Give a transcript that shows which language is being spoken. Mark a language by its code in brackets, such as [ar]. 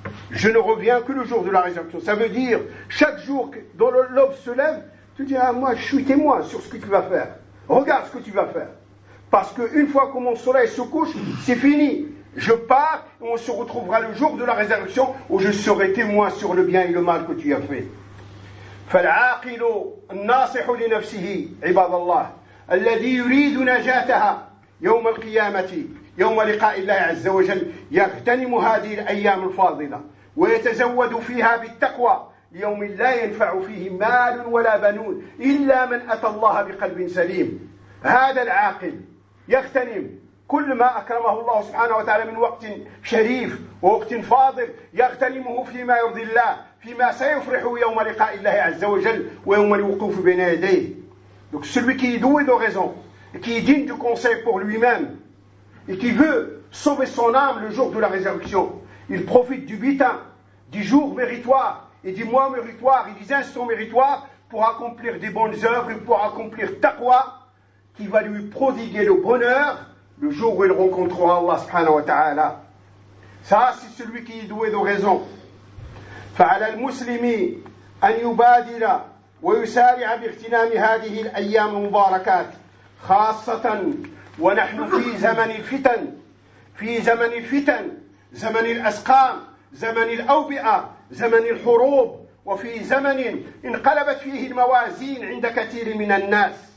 [fr] Je ne reviens que le jour de la résurrection. Ça veut dire, chaque jour dont l'aube se lève, tu dis, ah, moi, je suis témoin sur ce que tu vas faire. Regarde ce que tu vas faire. Parce qu'une fois que mon soleil se couche, c'est fini. Je pars et on se retrouvera le jour de la résurrection où je serai témoin sur le bien et le mal que tu as fait. [ar] فالعاقل الناصح لنفسه عباد الله الذي يريد نجاتها يوم القيامة يوم لقاء الله عز وجل يغتنم هذه الأيام الفاضلة ويتزود فيها بالتقوى ليوم لا ينفع فيه مال ولا بنون إلا من أتى الله بقلب سليم. هذا العاقل يغتنم كل ما أكرمه الله سبحانه وتعالى من وقت شريف ووقت فاضل، يغتنمه فيما يرضي الله، فيما سيفرح يوم لقاء الله عز وجل ويوم الوقوف بين يديه. [fr] Donc celui qui est doué de raison, qui est digne du conseil pour lui-même, et qui veut sauver son âme le jour de la résurrection, il profite du butin, du jour méritoire, et du mois méritoire, et des instants méritoires, pour accomplir des bonnes œuvres, et pour accomplir taqwa, qui va lui prodiguer le bonheur, le jour où il rencontrera Allah subhanahu wa ta'ala. Ça, c'est celui qui est doué de raison. [ar] فعلى المسلم أن يبادر ويسارع باغتنام هذه الأيام المباركات خاصة ونحن في زمن الفتن في زمن الفتن زمن الأسقام زمن الأوبئة زمن الحروب وفي زمن انقلبت فيه الموازين عند كثير من الناس